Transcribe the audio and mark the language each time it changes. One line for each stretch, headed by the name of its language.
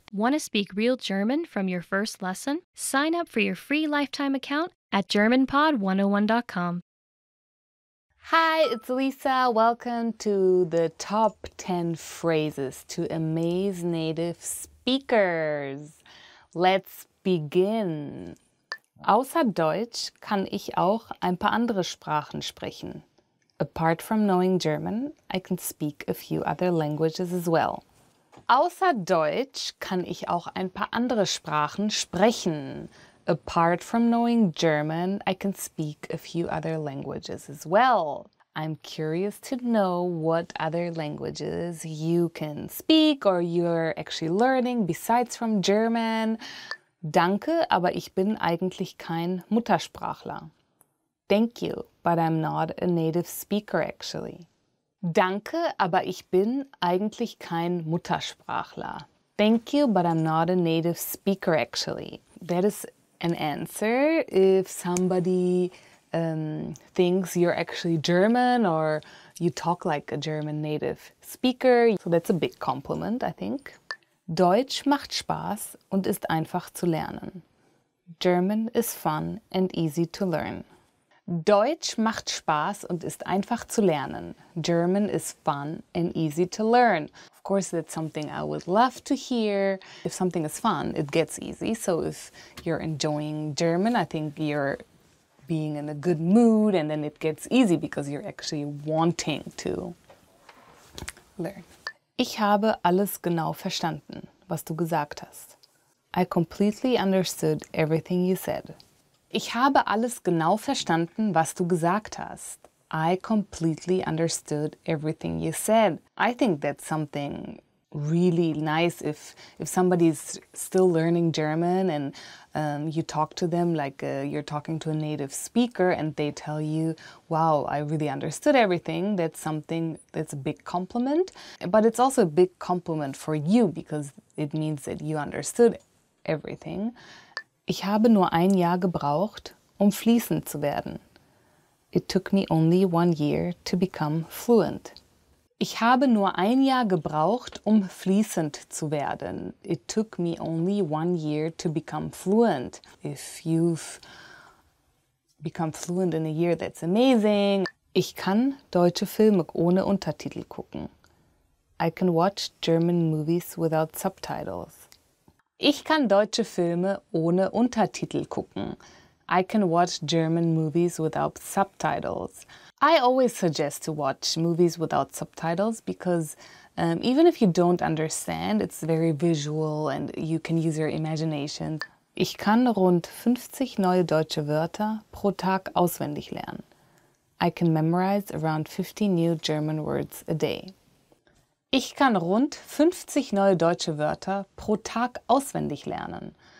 English: Want to speak real German from your first lesson? Sign up for your free lifetime account at germanpod101.com. Hi, it's Lisa. Welcome to the top 10 phrases to amaze native speakers. Let's begin.
German: Außer Deutsch kann ich auch ein paar andere Sprachen sprechen.
English: Apart from knowing German, I can speak a few other languages as well.
German: Außer Deutsch kann ich auch ein paar andere Sprachen sprechen.
English: Apart from knowing German, I can speak a few other languages as well. I'm curious to know what other languages you can speak or you're actually learning besides from German.
German: Danke, aber ich bin eigentlich kein Muttersprachler.
English: Thank you, but I'm not a native speaker actually.
German: Danke, aber ich bin eigentlich kein Muttersprachler.
English: Thank you, but I'm not a native speaker actually. That is an answer if somebody thinks you're actually German or you talk like a German native speaker. So that's a big compliment, I think.
German: Deutsch macht Spaß und ist einfach zu lernen.
English: German is fun and easy to learn.
German: Deutsch macht Spaß und ist einfach zu lernen.
English: German is fun and easy to learn. Of course, that's something I would love to hear. If something is fun, it gets easy. So if you're enjoying German, I think you're being in a good mood, and then it gets easy because you're actually wanting to learn.
German: Ich habe alles genau verstanden, was du gesagt hast.
English: I completely understood everything you said.
German: Ich habe alles genau verstanden, was du gesagt hast.
English: I completely understood everything you said. I think that's something really nice if somebody is still learning German and you talk to them like you're talking to a native speaker and they tell you, wow, I really understood everything. That's something that's a big compliment. But it's also a big compliment for you because it means that you understood everything.
German: Ich habe nur ein Jahr gebraucht, um fließend zu werden.
English: It took me only 1 year to become fluent.
German: Ich habe nur ein Jahr gebraucht, um fließend zu werden.
English: It took me only 1 year to become fluent. If you've become fluent in a year, that's amazing.
German: Ich kann deutsche Filme ohne Untertitel gucken.
English: I can watch German movies without subtitles.
German: Ich kann deutsche Filme ohne Untertitel gucken.
English: I can watch German movies without subtitles. I always suggest to watch movies without subtitles because Even if you don't understand, it's very visual and you can use your imagination.
German: Ich kann rund 50 neue deutsche Wörter pro Tag auswendig lernen.
English: I can memorize around 50 new German words a day.
German: Ich kann rund 50 neue deutsche Wörter pro Tag auswendig lernen.